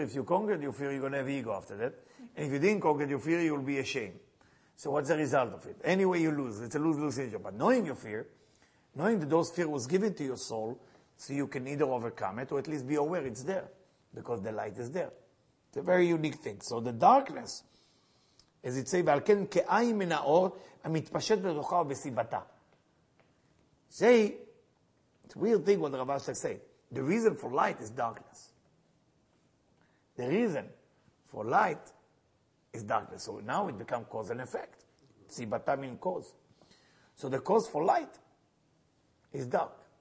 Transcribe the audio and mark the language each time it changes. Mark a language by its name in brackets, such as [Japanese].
[English] If you conquer your fear, you're going to have ego after that. And if you didn't conquer your fear, you'll be ashamed. So what's the result of it? Anyway, you lose. It's a lose-lose situation. But knowing your fear, knowing that those fear was given to your soul, so you can either overcome it or at least be aware it's there, because the light is there. It's a very unique thing. So the darkness, as it says, [Hebrew] ועל כן כאי מן האור המתפשט בתוכה ובסיבתה. [English] Say, it's a weird thing what Rav Ashlag say. The reason for light is darkness. The reason for light is darkness. So now it becomes cause and effect. Sibata means cause. So the cause for light is dark.